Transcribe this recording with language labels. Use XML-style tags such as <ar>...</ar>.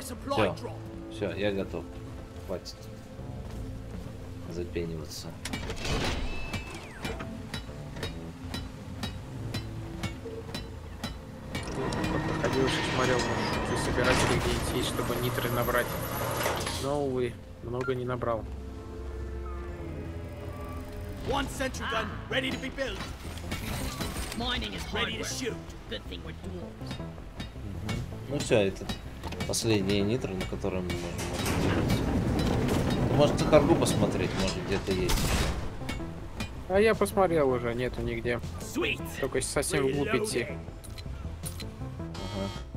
<ru>Все, все, я готов. Хватит запениваться. Походил, что смотрел, что собирать идти, чтобы нитры набрать. Но, увы, много не набрал.</ru> <en>One sentry gun ready to be built. Mining is ready to shoot. Good thing we're dwarves.</en> <ru>Ну все, это последние нитры, на которые мы можем делать. Может, на торгу посмотреть, может, где-то есть. А я посмотрел уже, нету нигде.</ru> <en>Sweet.</en> <ru>Только совсем вглубь идти. Ага.</ru>